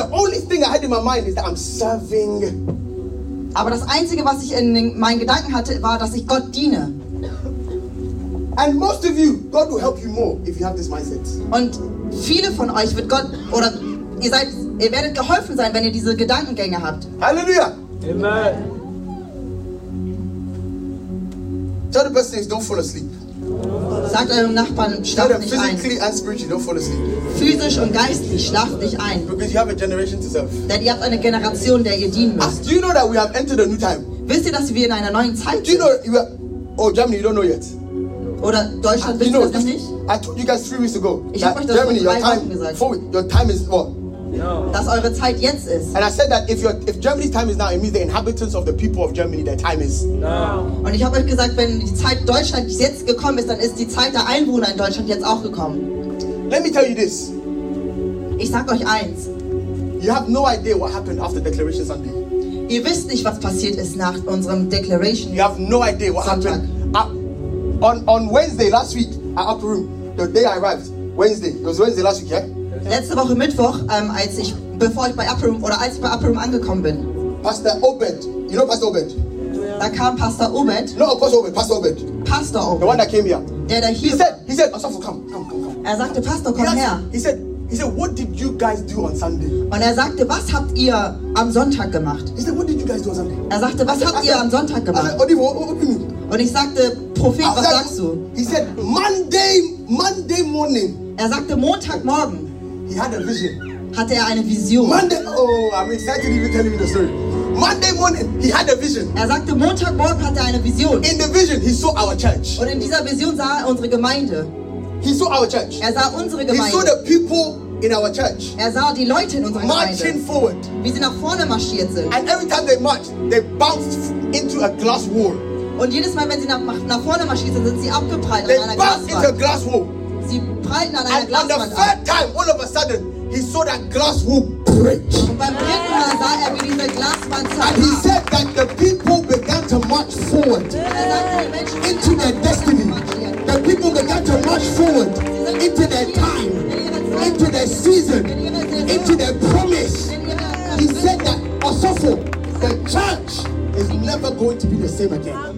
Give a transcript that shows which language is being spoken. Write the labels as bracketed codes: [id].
[en] The only thing I had in my mind is that I'm serving. [de] Aber das Einzige, was ich in meinen Gedanken hatte, war, dass ich Gott diene. [en] And most of you, God will help you more if you have this mindset. [de] Und viele von euch wird Gott, oder ihr werdet geholfen sein, wenn ihr diese Gedankengänge habt. Halleluja! Amen! [en] Tell the best thing is don't fall asleep. [de] Sagt eurem Nachbarn, schlaf nicht ein. [en] Physically and spiritually, don't fall asleep. [de] Physisch und geistlich, schlaf nicht ein. [en] Because you have a generation to serve. [de] Denn ihr habt eine Generation, der ihr dienen müsst. [en] Do you know that we have entered a new time? [de] Wisst ihr, dass wir in einer neuen Zeit sind? [en] Do you know, Germany, you don't know yet. [de] Oder Deutschland, wisst ihr das noch nicht? [en] I told you guys 3 weeks ago. [de] Ich hab euch das [en] Germany, [de] vor 3 Wochen [en] your time, [de] gesagt. [en] Your time is what? No. [de] Dass eure Zeit jetzt ist. [en] And I said that if Germany's time is now, it means the inhabitants of the people of Germany, their time is. No. [de] Und ich habe euch gesagt, wenn die Zeit Deutschland jetzt gekommen ist, dann ist die Zeit der Einwohner in Deutschland jetzt auch gekommen. [en] Let me tell you this. [de] Ich sag euch eins. [en] You have no idea what happened after Declaration Sunday. [de] Ihr wisst nicht, was passiert ist nach unserem Declaration. [en] You have no idea what happened. On Wednesday last week, at Upper Room, the day I arrived, Wednesday. It was Wednesday last week, yeah? [de] Letzte Woche Mittwoch, als ich bei Upper Room angekommen bin. [en] Pastor Obed, you know Pastor Obed? [de] Da kam Pastor Obed. [en] No, of course Obed, Pastor Obed. Pastor Obed. The one that came here. [de] Der da hier. [en] He said, Pastor, come. [de] Er sagte, Pastor, komm her. [en] He said, what did you guys do on Sunday? [de] Und er sagte, was habt ihr am Sonntag gemacht? [en] He said, what did you guys do on Sunday? [de] Er sagte, was habt ihr am Sonntag gemacht? Und ich sagte, Prophet, was sagst du? [en] He said, Monday morning. [de] Er sagte, Montagmorgen. [en] He had a vision. [de] Hatte er eine Vision? [en] I'm excited if you're telling me the story. Monday morning, he had a vision. [de] Er sagte, Montagmorgen hatte er eine Vision. [en] In the vision, he saw our church. [de] Und in dieser Vision sah er unsere Gemeinde. [en] He saw our church. [de] Er sah unsere Gemeinde. [en] He saw the people in our church. [de] Er sah die Leute in unserer [en] marching [de] Gemeinde. [en] Forward. [de] Wie sie nach vorne marschiert sind. [en] And every time they marched, they bounced into a glass wall. [de] Und jedes Mal, wenn sie nach vorne marschiert sind, sind sie abgeprallt [en] they [de] an einer Glaswand. [en] Into a glass wall. [de] Sie prallten an einer Glaswand. [en] And the third time, all of a sudden, he saw that glass wall break. [de] Und beim dritten Mal sah er, wie diese Glaswand zerbrach. [en] And he said that the people began to march forward into their destiny. The people began to march forward into their time, into their season, into their promise. He said that, Osofo, the church is never going to be the same again.